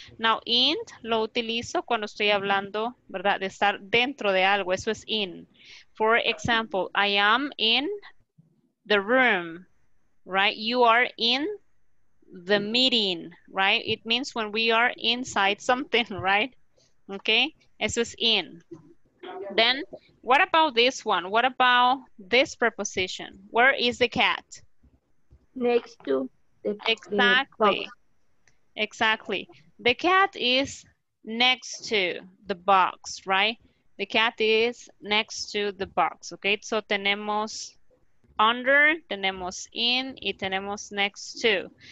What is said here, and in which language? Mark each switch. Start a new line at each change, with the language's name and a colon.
Spanish: Now, in lo utilizo cuando estoy hablando, ¿verdad? De estar dentro de algo, eso es in.
English: For example, I am in the room, right? You are in the meeting, right? It means when we are inside something, right? Okay,
Spanish: eso es
English: in. Then, what about this one? What about this preposition? Where is the cat? Next to the cat. Exactly. Exactly. The cat is next to the box, right? The cat is next to the box, okay?
Spanish: So, tenemos under, tenemos in, y tenemos next to.